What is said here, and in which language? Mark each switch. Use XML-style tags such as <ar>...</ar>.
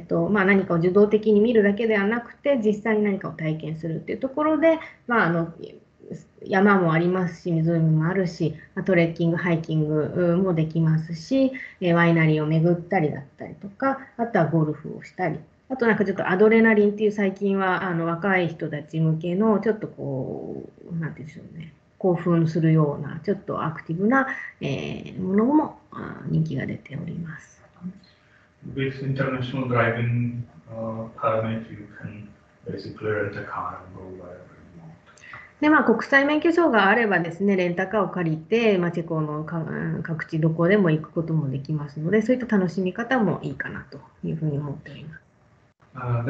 <ja>まあ、何かを受動的に見るだけではなくて、実際に何かを体験するっていうところで、まあ、山もありますし、湖もあるし、トレッキング、ハイキングもできますし、ワイナリーを巡ったりだったりとか、あとはゴルフをしたり、あとなんかちょっとアドレナリンっていう最近は若い人たち向けのちょっとこう、なんていうんでしょうね、興奮するようなちょっとアクティブな、ものも人気が出ております。</ja> <en>With international driving permit, you can basically rent a car and go wherever.</en> <ja>でまあ、国際免許証があればですね、レンタカーを借りて、まあ、チェコの各地どこでも行くこともできますので、そういった楽しみ方もいいかなというふうに思っております。</ja>